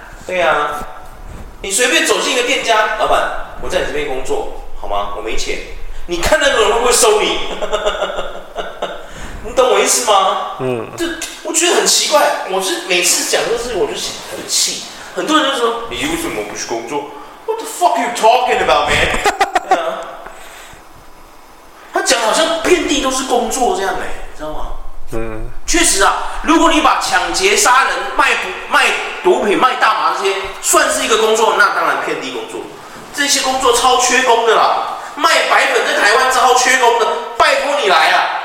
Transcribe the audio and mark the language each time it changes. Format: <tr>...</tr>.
<zh>对啊，你随便走进一个店家，老板，我在你这边工作，好吗？我没钱，你看那个人会不会收你？你懂我意思吗？嗯，这我觉得很奇怪。我是每次讲这个事，我就很气。很多人就说，你为什么不去工作？</zh> <en>What the fuck are you talking about, man?</en> <zh>他讲好像遍地都是工作这样哎、欸，知道吗？嗯，确实啊。如果你把抢劫、杀人、卖毒品、卖大麻这些算是一个工作，那当然遍地工作。这些工作超缺工的啦，卖白粉在台湾超缺工的，拜托你来啊！</zh>